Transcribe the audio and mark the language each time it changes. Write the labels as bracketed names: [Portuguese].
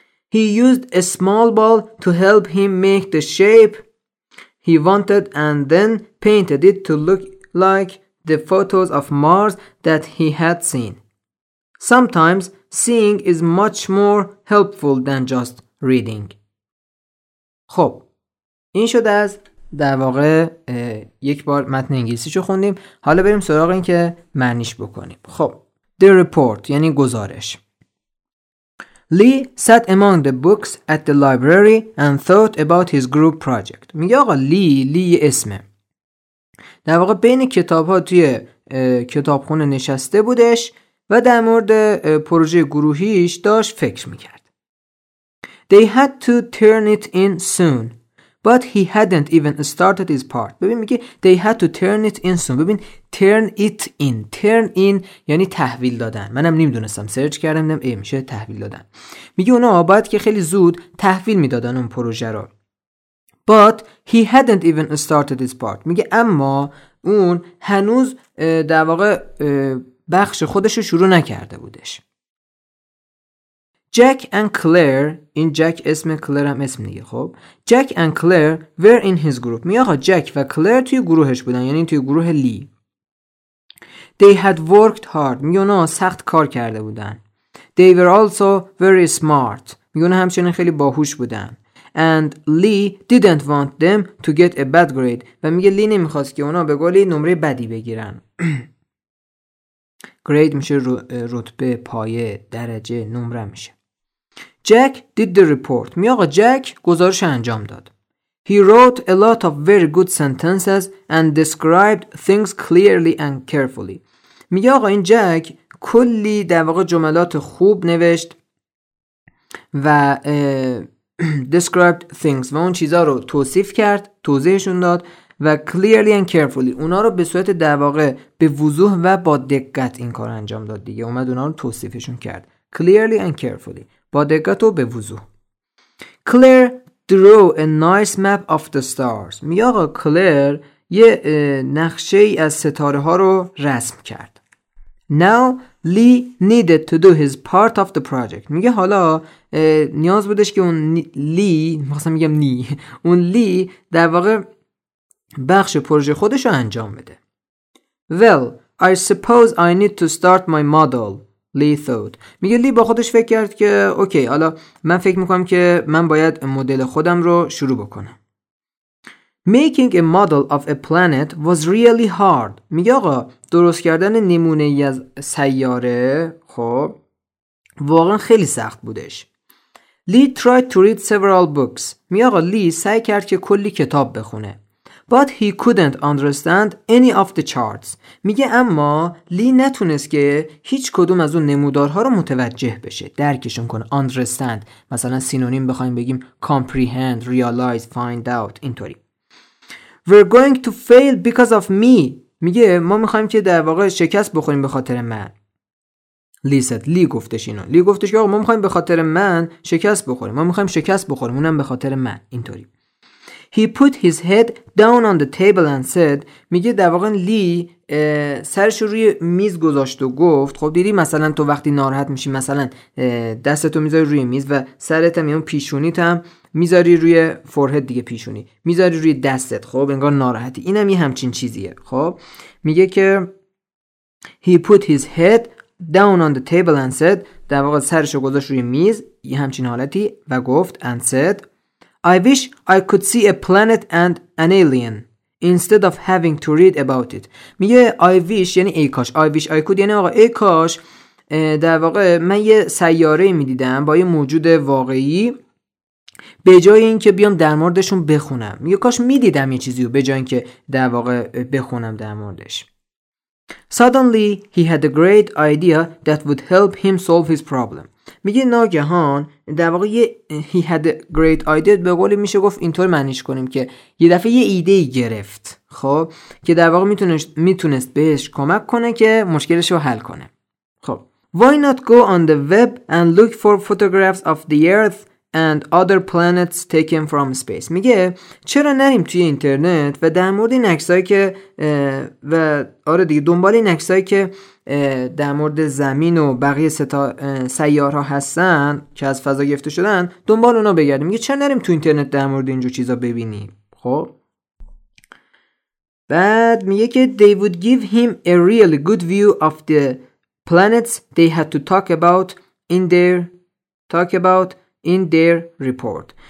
[English] He used a small ball to help him make the shape he wanted and then painted it to look like the photos of Mars that he had seen. Sometimes seeing is much more helpful than just reading. [Persian] خب، این شد از در واقع یک بار متن انگلیسیشو خوندیم. حالا بریم سراغ این که معنیش بکنیم. خب، The Report یعنی گزارش. [English] Lee sat among the books at the library and thought about his group project. [Persian] میگه آقا لی اسمه. در واقع بین کتاب ها توی کتابخونه نشسته بودش و در مورد پروژه گروهیش داشت فکر میکرد. [English] They had to turn it in soon, but he hadn't even started his part. [Persian] ببین میگه [English] they had to turn it in soon. ببین turn in [Persian] یعنی تحویل دادن. منم نمیدونستم، سرچ کردم دیدم میشه تحویل دادن. میگه اونا باید که خیلی زود تحویل میدادن اون پروژه رو. [English] But he hadn't even started his part. [Persian] میگه اما اون هنوز در واقع بخش خودش رو شروع نکرده بودش. [English] Jack and Claire, [Persian] این جک اسم، کلر هم اسم دیگه. [English] خب Jack and Claire were in his group. [Persian] میگه جک و کلر توی گروهش بودن، یعنی توی گروه لی. [English] They had worked hard. [Persian] میگه اونا سخت کار کرده بودن. [English] They were also very smart. [Persian] میگه اونا همچنین خیلی باهوش بودن. [English] And Lee didn't want them to get a bad grade. [Persian] و میگه لی نمیخواست که اونا به گلی نمره بدی بگیرن. grade میشه رتبه، پایه، درجه، نمره میشه. [English] Jack did the report. [Persian] می آقا جک گزارش انجام داد. [English] He wrote a lot of very good sentences and described things clearly and carefully. [Persian] میگه آقا این جک کلی در واقع جملات خوب نوشت و [English] described things [Persian] و اون چیزها رو توصیف کرد، توضیحشون داد و [English] clearly and carefully [Persian] اونا رو به صورت در واقع به وضوح و با دقت این کار انجام داد دیگه، اومد اونا رو توصیفشون کرد clearly and carefully، با دقت و به وضوح. [English] Claire drew a nice map of the stars. [Persian] میگه آقا کلر یه نقشه ای از ستاره ها رو رسم کرد. [English] Now Lee needed to do his part of the project. [Persian] میگه حالا نیاز بودش که اون لی، مثلا میگم نی، اون لی در واقع بخش پروژه خودش رو انجام بده. [English] Well, I suppose I need to start my model. Lee thought. [Persian] میگه لی با خودش فکر کرد که اوکی، حالا من فکر میکنم که من باید مدل خودم رو شروع بکنم. [English] Making a model of a planet was really hard. [Persian] میگه آقا درست کردن نمونه ای از سیاره خب واقعا خیلی سخت بودش. [English] Lee tried to read several books. [Persian] میگه آقا لی سعی کرد که کلی کتاب بخونه. [English] But he couldn't understand any of the charts. [Persian] میگه اما لی نتونست که هیچ کدوم از اون نمودارها رو متوجه بشه، درکشون کنه. Understand مثلا سینونیم بخوایم بگیم [English] comprehend, realize, find out [Persian] اینطوری. [English] We're going to fail because of me. [Persian] میگه ما میخوایم که در واقع شکست بخوریم به خاطر من. لی said. لی گفتش اینو. لی گفتش که آقا ما میخوایم به خاطر من شکست بخوریم. ما میخوایم شکست بخوریم. اونم به خاطر من. اینطوری. [English] He put his head down on the table and said. [Persian] میگه در واقع لی سرش روی میز گذاشت و گفت. خب دیدی مثلا تو وقتی ناراحت میشی مثلا دستتو میذاری روی میز و سرت هم یا پیشونیت هم میذاری روی فورهد دیگه پیشونی. میذاری روی دستت. خب انگار ناراحتی. اینم یه همچین چیزیه. خب میگه که [English] He put his head down on the table and said. [Persian] در واقع سرشو گذاشت روی میز یه همچین حالتی و گفت [English] and said I wish I could see a planet and an alien instead of having to read about it. [Persian] میگه [English] I wish [Persian] یعنی ای کاش. [English] I wish I could [Persian] یعنی آقا ای کاش در واقع من یه سیاره میدیدم با یه موجود واقعی به جای این که بیام در موردشون بخونم. میگه کاش میدیدم یه چیزی رو به جای این که در واقع بخونم در موردش. [English] Suddenly he had a great idea that would help him solve his problem. [Persian] میگه ناگهان در واقع یه [English] he had a great idea [Persian] به قولی میشه گفت اینطور معنیش کنیم که یه دفعه یه ایده ای گرفت خب که در واقع میتونست بهش کمک کنه که مشکلش رو حل کنه. [English] خب Why not go on the web and look for photographs of the earth and other planets taken from space. [Persian] میگه چرا نریم توی اینترنت و در مورد این عکسایی که و آره دیگه دنبال این عکسایی که در مورد زمین و بقیه سیارها هستن که از فضا گرفته شدن دنبال اونا بگردیم. میگه چرا نریم تو اینترنت در مورد اینجور چیزا ببینیم. خب بعد میگه که [English] they would give him a really good view of the planets they had to talk about in their talk about in their report.